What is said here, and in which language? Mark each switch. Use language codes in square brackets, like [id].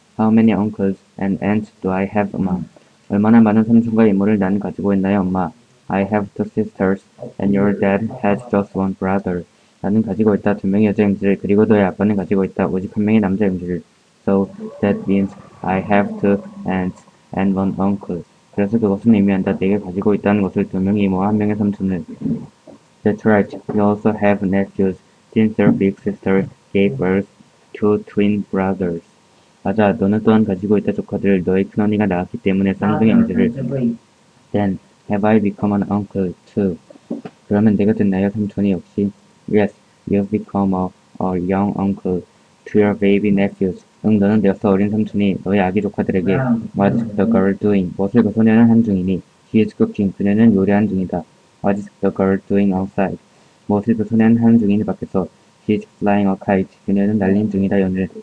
[en] How many uncles and aunts do I have, [ko] 엄마? 얼마나 많은 삼촌과 이모를 난 가지고 있나요, 엄마? [en] I have two sisters and your dad has just one brother. [ko] 나는 가지고 있다 두 명의 여자인지를 그리고 너의 아빠는 가지고 있다 오직 한 명의 남자인지를. [en] So that means I have two aunts and one uncle. [ko] 그래서 그것은 의미한다. 내가 가지고 있다는 것을 두 명의 이모와 한 명의 삼촌을. [en] That's right. You also have nephews since your big sister gave birth to twin brothers. [ko] 맞아. 너는 또한 가지고 있다 조카들. 너의 큰언니가 낳았기 때문에 쌍둥이인지를. [en] Then, have I become an uncle too? [ko] 그러면 내가 됐나요, 삼촌이 역시? [en] Yes, you've become a young uncle to your baby nephews. [ko] 응, 너는 되어서 어린 삼촌이 너의 아기 조카들에게. [en] What's the girl doing? [ko] 무엇을 그 소녀는 한 중이니? [en] She is cooking. [ko] 그녀는 요리한 중이다. [en] What is the girl doing outside? [ko] 무엇을 그 소녀는 하는 중이니 밖에서? [en] She is flying a kite. [ko] 그녀는 날린 중이다, 연을.